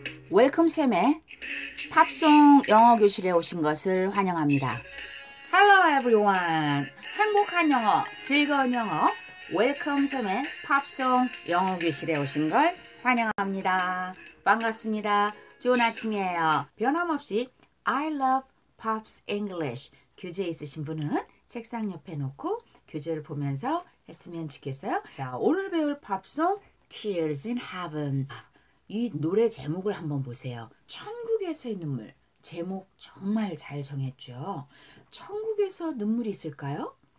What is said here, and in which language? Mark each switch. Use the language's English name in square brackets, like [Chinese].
[Korean] Welcome, Sam의 팝송 영어 교실에 오신 것을 환영합니다. [English] Hello, everyone. [Korean] 행복한 영어, 즐거운 영어. Welcome, Sam의 팝송 영어 교실에 오신 걸 환영합니다. 반갑습니다. 좋은 아침이에요. 변함없이 [English] I love Pops English. [Korean] 교재 있으신 분은 책상 옆에 놓고 교재를 보면서 했으면 좋겠어요. 자, 오늘 배울 팝송 Tears in Heaven. 이 노래 제목을 한번 보세요. 천국에서의 눈물. 제목 정말 잘 정했죠. 천국에서 눈물이 있을까요?